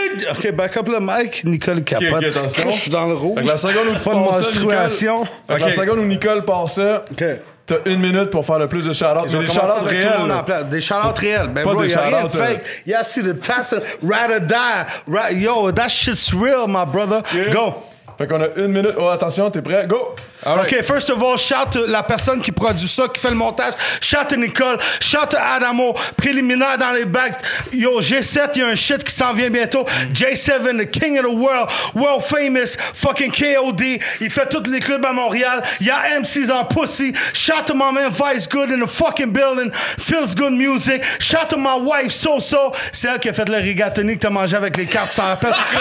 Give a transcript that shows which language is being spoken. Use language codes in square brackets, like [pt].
[fr] OK, back up le mic, Nicole capote. OK, attention. Je suis dans le rouge. La seconde où tu passes ça, menstruation. Okay. La seconde où Nicole passe ça, okay. T'as une minute pour faire le plus de shout-outs. Okay, des shout-outs réels. Des shout-outs réels. Ben, pas bro, y'a rien de fake. [en] Y'a see the tats, ride or die. Yo, that shit's real, my brother. Okay. Go. [fr] Fait qu'on a une minute. Oh, attention, t'es prêt? Go! [en] All right. OK, first of all, [fr] shout la personne qui produit ça, qui fait le montage. Shout Nicole. Shout Adamo. Préliminaire dans les bacs. Yo, G7, il y a un shit qui s'en vient bientôt. [en] J7, the king of the world. World famous. Fucking KOD. [fr] Il fait tous les clubs à Montréal. Y'a MCs en pussy. [en] Shout to my man Vice Good in the fucking building. Feels good music. Shout to my wife So-So. [fr] C'est elle qui a fait le rigatoni que t'as mangé avec les cartes, ça rappelle.